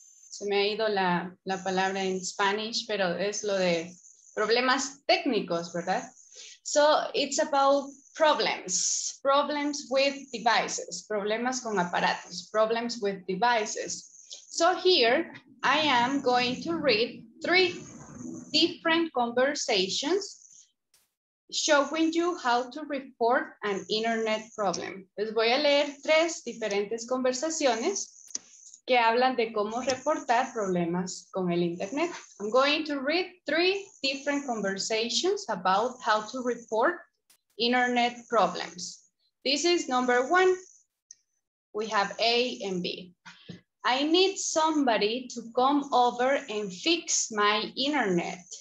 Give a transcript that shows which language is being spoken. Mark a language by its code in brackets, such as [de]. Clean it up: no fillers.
[es] Se me ha ido la palabra en Spanish, pero es lo de problemas técnicos, ¿verdad? [en] So it's about problems with devices, [es] problemas con aparatos, [en] problems with devices. So here I am going to read 3 different conversations showing you how to report an internet problem. [es] Les voy a leer 3 diferentes conversaciones que hablan de cómo reportar problemas con el internet. [en] I'm going to read 3 different conversations about how to report internet problems. This is number 1. We have A and B. I need somebody to come over and fix my internet.